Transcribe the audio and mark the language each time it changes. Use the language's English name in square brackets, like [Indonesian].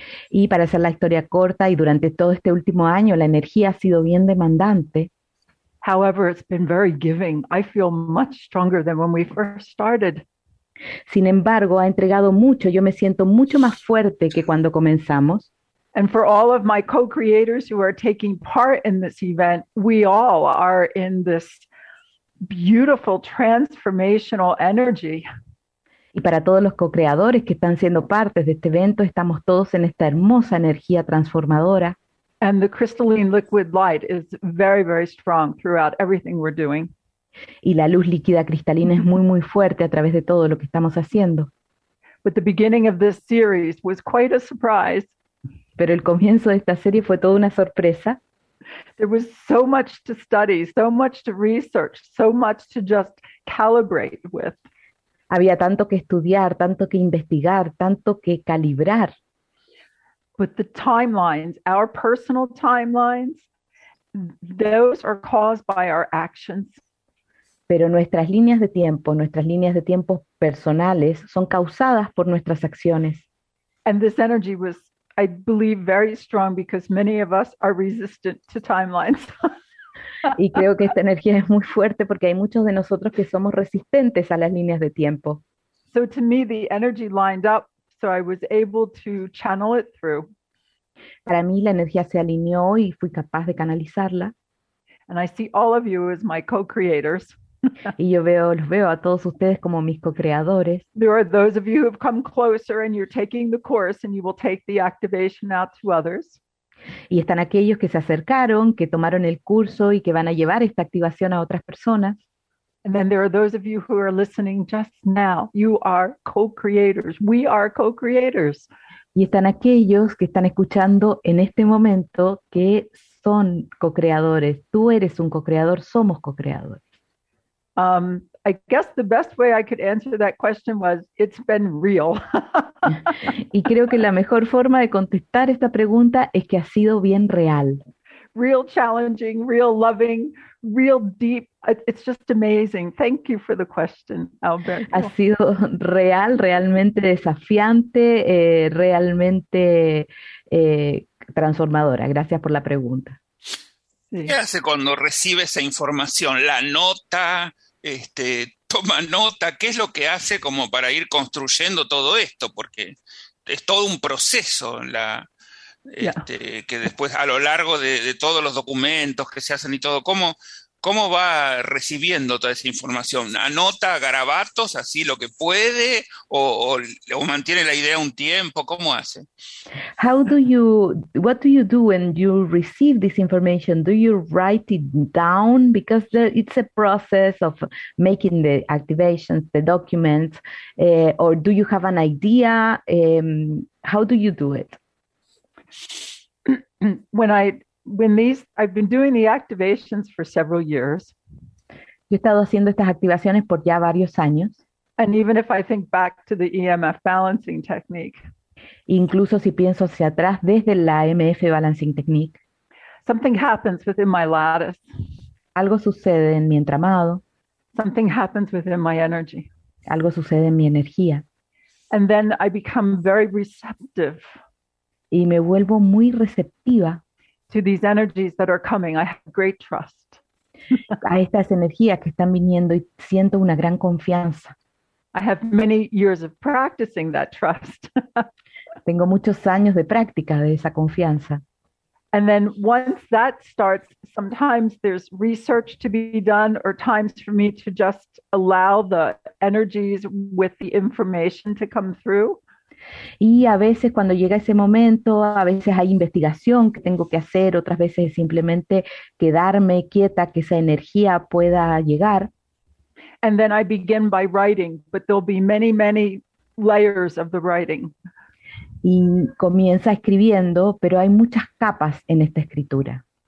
[Spanish] Y para hacer la historia corta, y durante todo este último año, la energía ha sido bien demandante. [English] However, it's been very giving. I feel much stronger than when we first started. [Spanish] Sin embargo, ha entregado mucho. Yo me siento mucho más fuerte que cuando comenzamos. [English] And for all of my co-creators who are taking part in this event, we all are in this beautiful transformational energy. [Spanish] Y para todos los co-creadores que están siendo parte de este evento, estamos todos en esta hermosa energía transformadora. [English] And the crystalline liquid light is very, very strong throughout everything we're doing. [Spanish] Y la luz líquida cristalina es muy, muy fuerte a través de todo lo que estamos haciendo. [English] But the beginning of this series was quite a surprise. [Spanish] Pero el comienzo de esta serie fue toda una sorpresa. [English] There was so much to study, so much to research, so much to just calibrate with. [Spanish] Había tanto que estudiar, tanto que investigar, tanto que calibrar. [English] But the timelines, our personal timelines, those are caused by our actions. [Spanish] Pero nuestras líneas de tiempo personales son causadas por nuestras acciones. [English] And this energy was, I believe, very strong because many of us are resistant to timelines. [Spanish] Y creo que esta energía es muy fuerte porque hay muchos de nosotros que somos resistentes a las líneas de tiempo. [English] So to me, the energy lined up, so I was able to channel it through. [Spanish] Para mí, la energía se alineó y fui capaz de canalizarla. [English] And I see all of you as my co-creators. [Spanish] Y yo los veo a todos ustedes como mis co-creadores. [English] There are those of you who have come closer and you're taking the course and you will take the activation out to others. [Spanish] Y están aquellos que se acercaron, que tomaron el curso y que van a llevar esta activación a otras personas. [English] And then there are those of you who are listening just now. You are co-creators. We are co-creators. [Spanish] Y están aquellos que están escuchando en este momento que son co-creadores. Tú eres un co-creador, somos co-creadores. [English] I guess the best way I could answer that question was, it's been real. [Spanish] Y creo que la mejor forma de contestar esta pregunta es que ha sido bien real. [English] Real challenging, real loving, real deep. It's just amazing. Thank you for the question, Albert. [Spanish] Ha sido real, realmente desafiante, realmente transformadora. Gracias por la pregunta. Sí. ¿Qué hace cuando recibe esa información? ¿La nota? ¿Toma nota? ¿Qué es lo que hace como para ir construyendo todo esto? Porque es todo un proceso que después a lo largo de todos los documentos que se hacen y todo, ¿cómo va recibiendo toda esa información? ¿Anota garabatos así lo que puede o mantiene la idea un tiempo? ¿Cómo hace? [English] What do you do when you receive this information? Do you write it down? Because it's a process of making the activations, the documents, or do you have an idea? How do you do it? I've been doing the activations for several years. [Spanish] Yo he estado haciendo estas activaciones por ya varios años. [English] And even if I think back to the EMF balancing technique. [Spanish] Incluso si pienso hacia atrás desde la EMF balancing technique. [English] Something happens within my lattice. [Spanish] Algo sucede en mi entramado. [English] Something happens within my energy. [Spanish] Algo sucede en mi energía. [English] And then I become very receptive. [Spanish] Y me vuelvo muy receptiva. [English] To these energies that are coming, I have great trust. [Spanish] A estas energías que están viniendo y siento una gran confianza. [English] I have many years of practicing that trust. [Spanish] Tengo muchos años de práctica de esa confianza. [English] And then once that starts, sometimes there's research to be done or times for me to just allow the energies with the information to come through. [Spanish] Y a veces cuando llega ese momento, a veces hay investigación que tengo que hacer, otras veces es simplemente quedarme quieta, que esa energía pueda llegar. [English] And then I begin by writing, but there'll be many, many layers of the writing. [Spanish] Y comienza escribiendo, pero hay muchas capas en esta escritura.